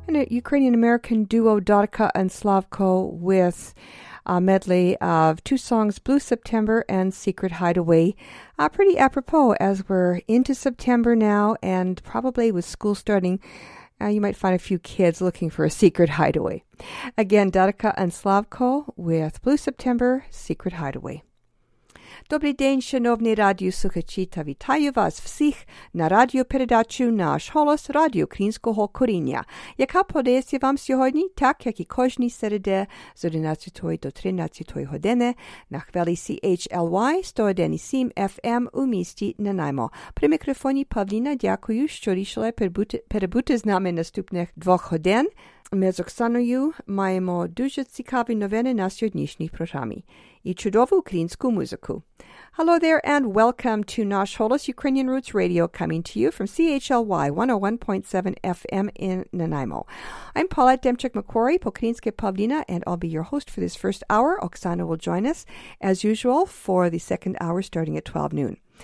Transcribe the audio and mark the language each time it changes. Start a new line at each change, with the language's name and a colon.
English: Ukrainian-American duo Dotika and Slavko with a medley of two songs, Blue September and Secret Hideaway. Pretty apropos as we're into September now and probably with school starting, you might find a few kids looking for a secret hideaway. Again, Dotika and Slavko with Blue September, Secret Hideaway.
Ukrainian: Добрий день, шановні радіослухачі, та вітаю вас всіх на радіопередачу «Наш голос» Радіо Українського коріння, яка подається вам сьогодні, так як і кожні середи з 11 до 13 години на хвилі CHLY 101.7 FM у місті Нанаймо. При мікрофоні Павліна, дякую, що рішили перебути з нами наступних двох годин. Ми з Оксаною маємо дуже цікаві новини на сьогоднішній програмі. I Chudovu Ukrainsku Muziku.
English: Hello there and welcome to Nash Holos Ukrainian Roots Radio, coming to you from CHLY 101.7 FM in Nanaimo. I'm Paulette Demchuk-McQuarrie,
Ukrainian: Pokrinske Pavlina,
English: and I'll be your host for this first hour. Oksana will join us, as usual, for the second hour starting at 12 noon.